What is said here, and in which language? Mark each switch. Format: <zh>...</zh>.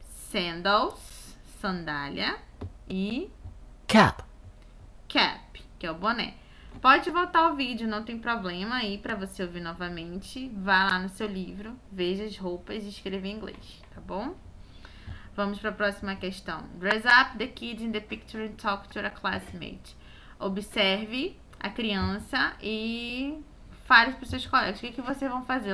<en>Sandals.</en> <pt>Sandália. E</pt> <en>cap.</en> <pt>cap, que é o boné. Pode voltar ao vídeo, não tem problema aí para você ouvir novamente. Vá lá no seu livro, veja as roupas e escreva em inglês, tá bom? Vamos para a próxima questão.</pt> <en>Dress up the kid in the picture and talk to a classmate.</en> <pt>Observe a criança e fale para os seus colegas. O que que vocês vão fazer?</pt>